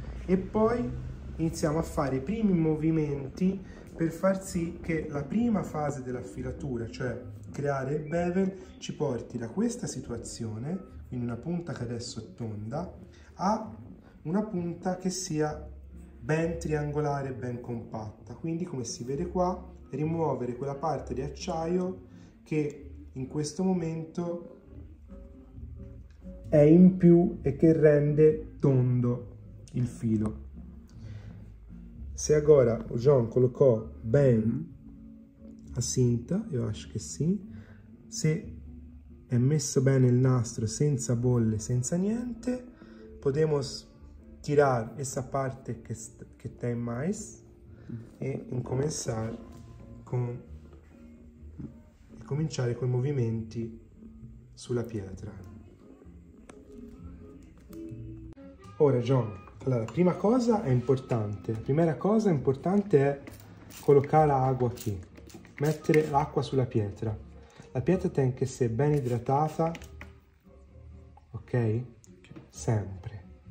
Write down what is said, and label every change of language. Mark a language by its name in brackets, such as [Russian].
[Italian] e poi iniziamo a fare i primi movimenti per far sì che la prima fase dell'affilatura, cioè creare il bevel, ci porti da questa situazione, quindi una punta che adesso è tonda, a una punta che sia ben triangolare, ben compatta. Quindi, come si vede qua, rimuovere quella parte di acciaio che in questo momento è in più e che rende tondo il filo. [Portuguese] Se agora o John colocou bem a cinta, eu acho que sim. Se é messo bem o nastro, sem bolle, sem niente, podemos tirar essa parte que tem mais e começar com [Italian] i movimenti sulla pietra. Ora, John. Allora, prima cosa è importante, [Portuguese] primera cosa importante è colocare [Italian] l'acqua qui, mettere l'acqua sulla pietra. La pietra tem che essere ben idratata, ok? Sempre.